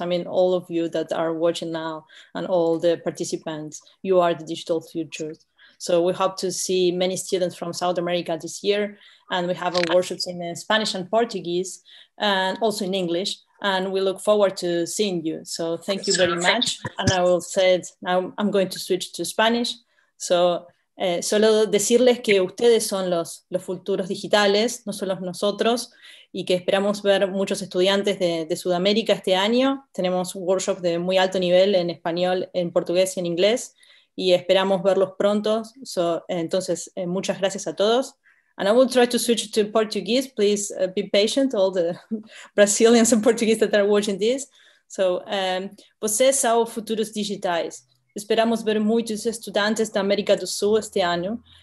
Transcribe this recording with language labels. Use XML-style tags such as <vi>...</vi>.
<en>I mean, all of you that are watching now and all the participants, you are the digital futures. So we hope to see many students from South America this year. And we have a workshop in Spanish and Portuguese and also in English. And we look forward to seeing you. So thank you very much. And I will say it, now I'm going to switch to Spanish.</en> <es>So solo decirles que ustedes son los futuros digitales, no solo nosotros, y que esperamos ver muchos estudiantes de Sudamérica este año. Tenemos workshops de muy alto nivel en español, en portugués y en inglés, y esperamos verlos pronto. So, entonces, muchas gracias a todos.</es> <en>And I will try to switch to Portuguese. Please be patient, all the Brazilians and Portuguese that are watching this.</en> <pt>So, vocês são futuros digitais.</pt> <es>Esperamos ver muchos estudiantes de América del Sur este año.</es>